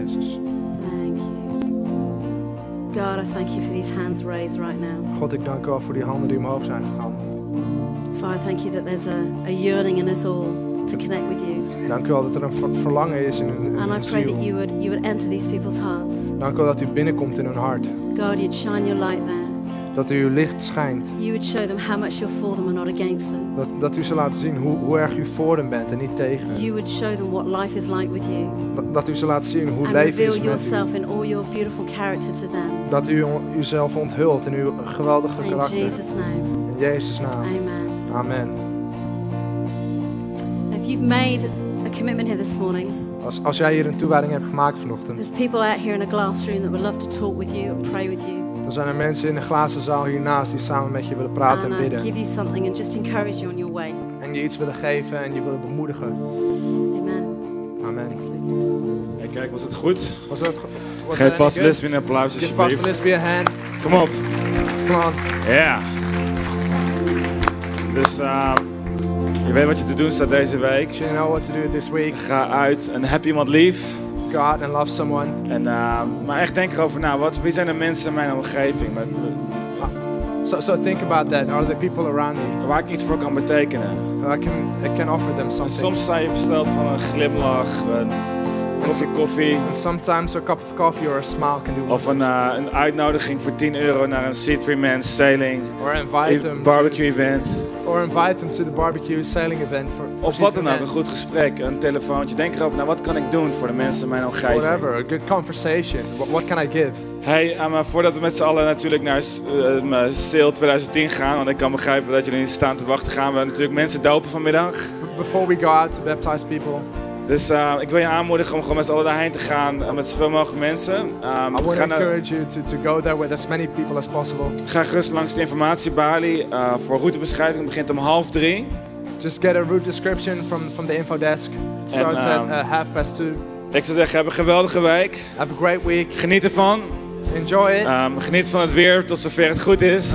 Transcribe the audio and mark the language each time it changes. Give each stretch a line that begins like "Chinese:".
English: God, I thank you for these hands raised right now.
Dutch: God, ik dank u wel voor die handen die omhoog zijn gegaan.
English: Father, thank you that there's a yearning in us all to connect with you.
Dutch: Dank u wel dat er een verlangen is in hun ziel.
English: And I pray that you would enter these people's hearts.
Dutch: Dank u wel dat u binnenkomt in hun hart.
English: God, you'd shine your light there.
Dutch: Dat u uw licht schijnt.
English: You would show them how much you're for them and not against them.
Dutch: Dat u ze laat zien hoe erg u voor hen bent en niet tegen.
English: You would show them what life is like with you.
Dutch: Dat u ze laat zien hoe leven is met u.
English: And reveal yourself in all your beautiful character to them.
Dutch: Dat u uzelf onthult in uw geweldige karakter.
English: In Jesus name.
Dutch: In Jezus naam.
English: Amen.
Dutch: Amen.
English: And if you've made a commitment here this morning.
Dutch: Als jij hier een toewijding hebt gemaakt vanochtend.
English: There's people out here in a glass room that would love to talk with you and pray with you.
Dutch: Dan zijn er mensen in de glazen zaal hiernaast die samen met je willen praten en bidden.
English: Give you something and just encourage you on your way.
Dutch: En je iets willen geven en je willen bemoedigen.
English: Amen.
Dutch: Amen. Hey, kijk, was het goed? Geef vast Lesbien een applaus, alsjeblieft. Geef vast Lesbien een hand. Kom op.
English: Come on. Yeah.
Dutch: Dus je weet wat je te doen staat deze week.
English: You know what to do this week.
Dutch: Ga uit en heb iemand lief.
English: God and love someone.
Dutch: En, maar echt denk erover na. Wie zijn de mensen in mijn omgeving?
English: So think about that. Are the people around me?
Dutch: Waar ik iets voor kan betekenen.
English: I can offer them something.
Dutch: En soms sta je versteld van een glimlach, een kopje koffie.
English: And sometimes a cup of coffee or a smile can do.
Dutch: Of een uitnodiging voor €10 naar een C3 Man sailing.
English: Or invite them barbecue event. Or invite them to the barbecue sailing event for.
Dutch: Of wat dan ook, een goed gesprek, een telefoontje. Denk erover, wat kan ik doen voor de mensen in mijn omgeving?
English: Whatever, a good conversation. What can I give?
Dutch: Hey, maar voordat we met z'n allen natuurlijk naar Sail 2010 gaan, want ik kan begrijpen dat jullie staan te wachten, gaan we natuurlijk mensen dopen vanmiddag.
English: Before we go out to baptize people.
Dutch: Dus ik wil je aanmoedigen om gewoon met z'n allen daarheen te gaan met zoveel mogelijk mensen.
English: I would encourage you to go there with as many people as possible.
Dutch: Ga gerust langs de informatiebalie voor routebeschrijving. Het begint om 2:30.
English: Just get a route description from the info desk. It starts at 2:30.
Dutch: Ik zou zeggen, heb een geweldige week.
English: Have a great week.
Dutch: Geniet ervan.
English: Enjoy it.
Dutch: Geniet van het weer tot zover het goed is.